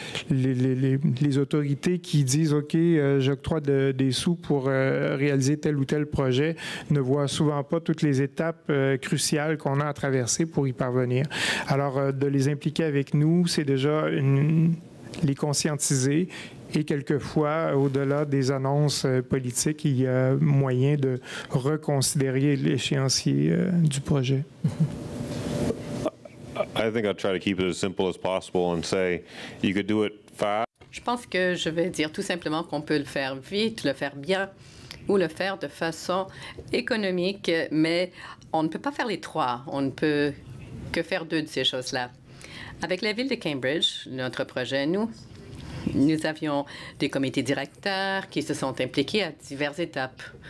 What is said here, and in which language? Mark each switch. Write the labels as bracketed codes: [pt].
[fr] Les autorités qui disent « OK, j'octroie des sous pour réaliser tel ou tel projet » ne voient souvent pas toutes les étapes cruciales qu'on a à traverser pour y parvenir. Alors, de les impliquer avec nous, c'est déjà les conscientiser. Et quelquefois, au-delà des annonces politiques, il y a moyen de reconsidérer l'échéancier du projet. [en] I think I'll try to keep it as simple as possible and say you could do it fast. [fr] Je pense que je vais dire tout simplement qu'on peut le faire vite, le faire bien, ou le faire de façon économique, mais on ne peut pas faire les trois. On ne peut que faire deux de ces choses-là. Avec la ville de Cambridge, notre projet, nous avions des comités directeurs qui se sont impliqués à diverses étapes.